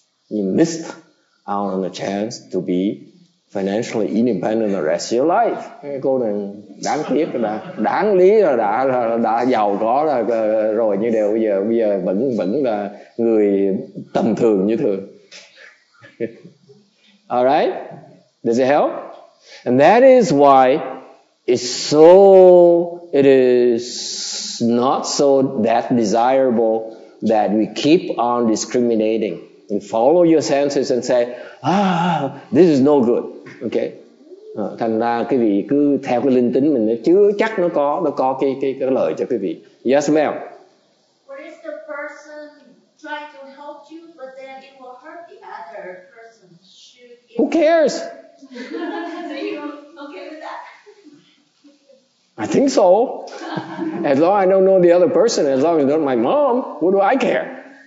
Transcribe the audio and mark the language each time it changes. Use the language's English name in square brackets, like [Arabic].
[English] You missed out on the chance to be financially independent the rest of your life. [Vietnamese] Cô này đáng tiếc là đáng lý là đã giàu có rồi như đều bây giờ vẫn là người tầm thường như thường. [English] All right? Does it help? And that is why it is not so that desirable that we keep on discriminating. You follow your senses and say, this is no good. Okay. [Vietnamese] Thành ra quý vị cứ theo cái linh tính mình, chứ chắc nó có cái lợi cho quý vị. [English] Yes, ma'am. What if the person trying to help you, but then it will hurt the other person? Who cares? Are you okay with that? I think so. As long as I don't know the other person, as long as not my mom, what do I care?